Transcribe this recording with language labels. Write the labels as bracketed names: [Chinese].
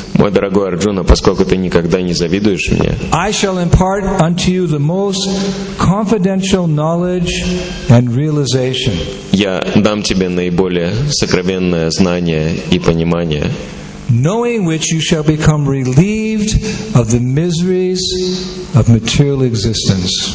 [Russian] мой дорогой Арджуна, поскольку ты никогда не завидуешь мне, [English] I shall impart unto you the most confidential knowledge and realization. [Russian] Я дам тебе наиболее сокровенное знание и понимание. [English] Knowing which you shall become relieved of the miseries of material existence.